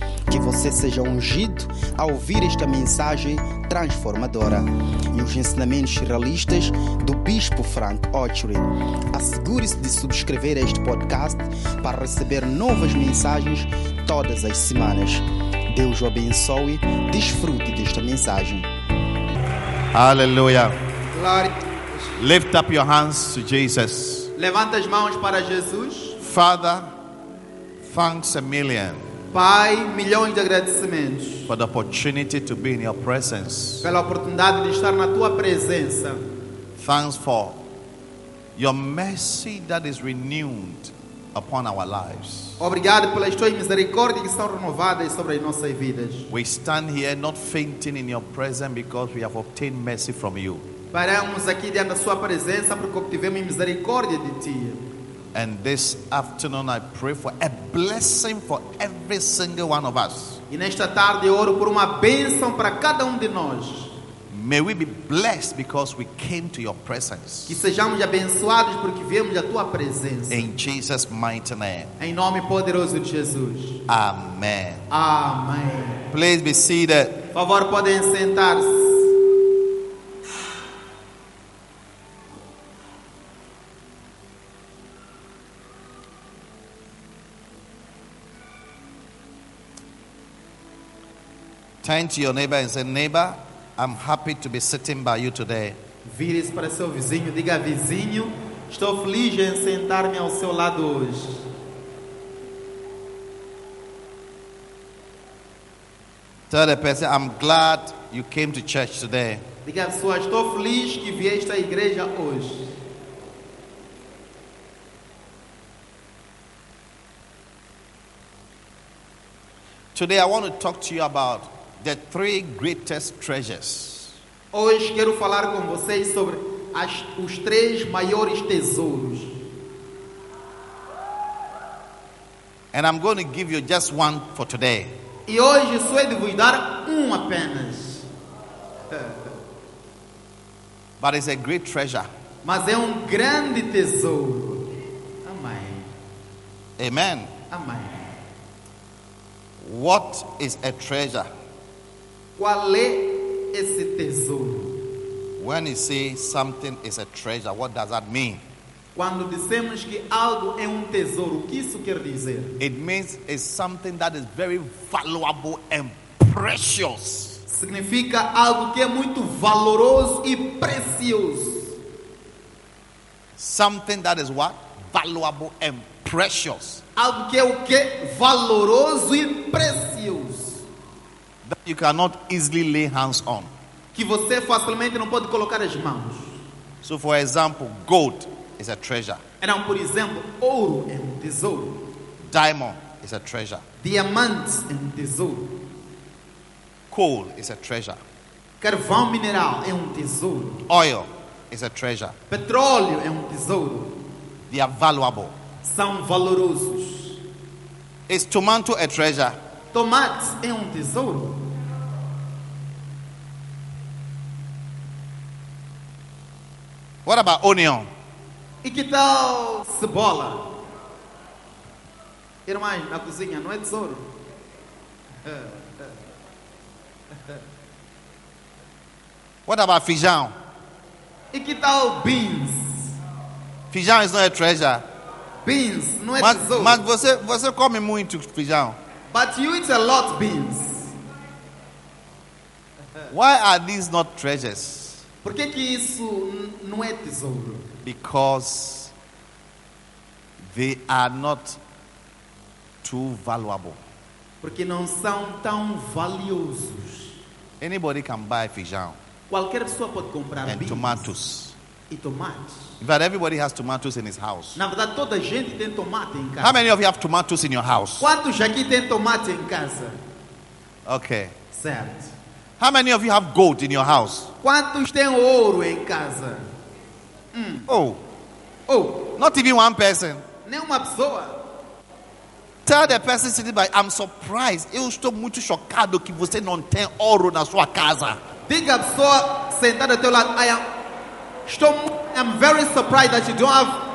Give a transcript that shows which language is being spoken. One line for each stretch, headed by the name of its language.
Portuguese: Que você seja ungido a ouvir esta mensagem transformadora e os ensinamentos realistas do Bispo Frank Ochoa. Assegure-se de subscrever este podcast para receber novas mensagens todas as semanas. Deus o abençoe. Desfrute desta mensagem. Aleluia.
English: Lift up your hands to Jesus.
Portuguese: Levanta as mãos para Jesus.
English: Father, thanks a million.
Portuguese: Pai, milhões de agradecimentos.
English: For the opportunity to be in your presence.
Portuguese: Pela oportunidade de estar na tua presença.
English: Thanks for your mercy that is renewed upon our lives.
Portuguese: Obrigado pelas tuas misericórdias que são renovadas sobre as nossas vidas.
English: We stand here not fainting in your presence because we have obtained mercy from you.
Portuguese: Paramos aqui diante da sua presença porque obtivemos misericórdia de ti.
English: And this afternoon I pray for a blessing for every single one of us.
Portuguese: E nesta tarde eu oro por uma bênção para cada de nós.
English: May we be blessed because we came to your presence.
Portuguese: Que sejamos abençoados porque viemos da tua presença.
English: In Jesus' mighty name.
Portuguese: Em nome poderoso de Jesus.
English: Amen. Amen. Please be seated.
Portuguese: Por favor, podem sentar-se.
English: Turn to your neighbor and say, neighbor, I'm happy to be sitting by you today.
Portuguese: Vire-se para seu vizinho, diga, vizinho, estou feliz em sentar-me ao seu lado hoje.
English: Tell the person, I'm glad you came to church today.
Portuguese: Diga, pessoa, estou feliz que vieste à igreja hoje.
English: Today I want to talk to you about the three greatest treasures.
Portuguese: Hoje quero falar com vocês sobre os três maiores tesouros.
English: And I'm going to give you just one for today.
Portuguese: E hoje só é de vos dar apenas.
English: But it's a great treasure.
Portuguese: Mas é grande tesouro. Amém.
English: Amen.
Portuguese: Amém.
English: What is a treasure?
Portuguese: Qual é esse tesouro?
English: When you say something is a treasure, what does that mean?
Portuguese: Quando dizemos que algo é tesouro, o que isso quer dizer?
English: It means it's something that is very valuable and precious.
Portuguese: Significa algo que é muito valoroso e precioso.
English: Something that is what? Valuable and precious.
Portuguese: Algo que é o quê? Valoroso e precioso.
English: That you cannot easily lay hands on.
Portuguese: Que você facilmente não pode colocar as mãos.
English: So for example, gold is a treasure.
Portuguese: Então, por exemplo, ouro é tesouro.
English: Diamond is a treasure.
Portuguese: Diamante é tesouro.
English: Coal is a treasure.
Portuguese: Carvão mineral é tesouro.
English: Oil is a treasure.
Portuguese: Petróleo é tesouro.
English: They are valuable.
Portuguese: São valorosos.
English: Is tomato a treasure?
Portuguese: Tomate é tesouro.
English: What about onion?
Portuguese: E que tal cebola? Irmã, na cozinha não tesouro.
English: What about feijão?
Portuguese: E que tal beans?
English: Feijão is not a treasure.
Portuguese: Beans não tesouro. Mas você come muito feijão.
English: But you eat a lot of beans. Why are these not treasures?
Portuguese: Por que que isso não tesouro?
English: Because they are not too valuable.
Portuguese: Porque não são tão valiosos.
English: Anybody can buy feijão.
Portuguese: Qualquer pessoa pode comprar
English: and beans. And tomatoes.
Portuguese: E tomates.
English: In fact, everybody has tomatoes in his house.
Portuguese: Na verdade, toda gente tem tomate em casa.
English: How many of you have tomatoes in your house?
Portuguese: Quantos aqui tem tomate em casa?
English: Okay.
Portuguese: Certo.
English: How many of you have gold in your house?
Portuguese: Quantos tem ouro em casa?
English: Oh. Not even one person.
Portuguese: Nem uma pessoa.
English: Tell the person sitting by, I'm surprised.
Portuguese: Eu estou muito chocado que você não tem ouro na sua casa. Diga a pessoa sentada ao teu lado,
English: I am very surprised that you don't have